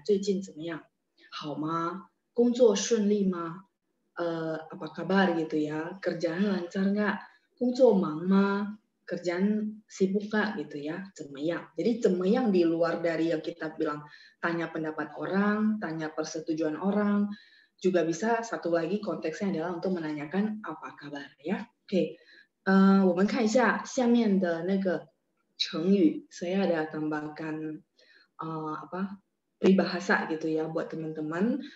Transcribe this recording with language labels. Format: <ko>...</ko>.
<zh>最近怎么样, 好吗, 工作顺利吗,</zh> <id>apa kabar gitu ya, kerjaan lancar nggak,</id> <zh>工作忙吗,</zh> <id>kerjaan sibuk nggak gitu ya, 怎么样. Jadi 怎么样 di luar dari yang kita bilang tanya pendapat orang, tanya persetujuan orang, juga bisa satu lagi konteksnya adalah untuk menanyakan apa kabar ya. Oke, kita lihat</id> <zh>下面的那个成语.</zh> <id>Saya ada tambahkan apa peribahasa gitu ya buat teman-teman.</id>